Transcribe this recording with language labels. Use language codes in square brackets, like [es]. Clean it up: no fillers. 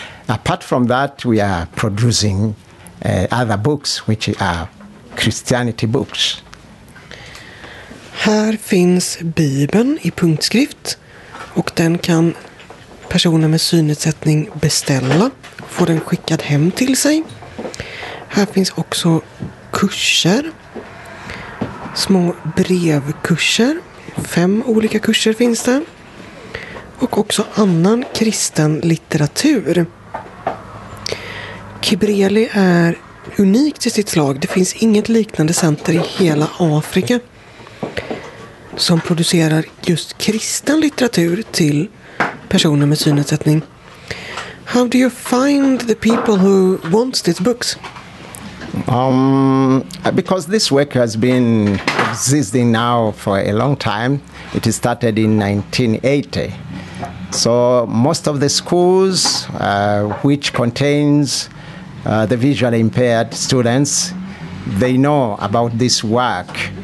[en] Apart from that, we are producing other books, which are Christianity books. [sv] Här finns Bibeln i punktskrift, och den kan personer med synnedsättning beställa, få den skickad hem till sig. Här finns också kurser, små brevkurser, 5 olika kurser finns det, och också annan kristen litteratur. Kibreli är unikt i sitt slag. Det finns inget liknande center i hela Afrika som producerar just kristen litteratur till personer med synnedsättning. [en] How do you find the people who want these books? Because this work has been existing now for a long time. It started in 1980. So most of the schools which contains the visually impaired students, they know about this work.